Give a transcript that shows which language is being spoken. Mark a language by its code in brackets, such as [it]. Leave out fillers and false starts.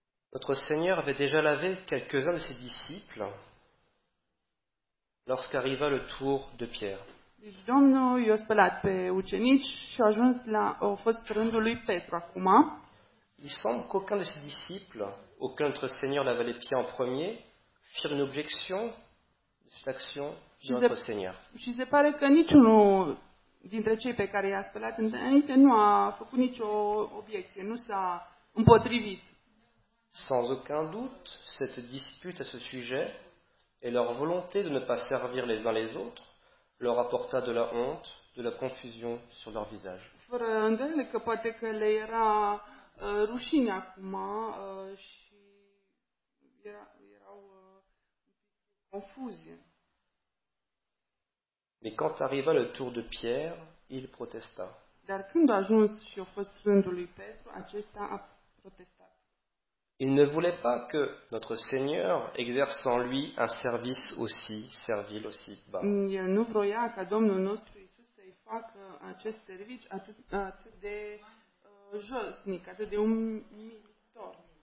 [fr] Notre Seigneur avait déjà lavé quelques-uns de ses disciples lorsqu'arriva le tour de Pierre. [ro] Deci Domnul i-a spălat pe ucenici și a ajuns la a fost rândul lui Petru acum. [fr] Il semble qu'aucun de ses disciples, aucun notre Seigneur lava les pieds en premier, fire une objection. Cette action de notre Seigneur. [ro] Și se pare că niciunul dintre cei pe care i-a spălat înainte nu a făcut nicio obiecție, nu s-a împotrivit. [fr] Sans aucun doute, cette dispute à ce sujet et leur volonté de ne pas servir les uns les autres leur apporta de la honte, de la confusion sur leur visage. [ro] Fără îndoială că poate că le era rușine acum și era confusion. [fr] Mais quand arriva le tour de Pierre, il protesta. [ro] Dar când a ajuns și a fost rândul lui Petru, acesta a protestat. [fr] Il ne voulait pas que notre Seigneur exerce en lui un service aussi servile aussi bas. [ro] El nu vroia ca Domnul nostru Iisus să-i facă acest serviciu atât de josnic, atât de umilitor.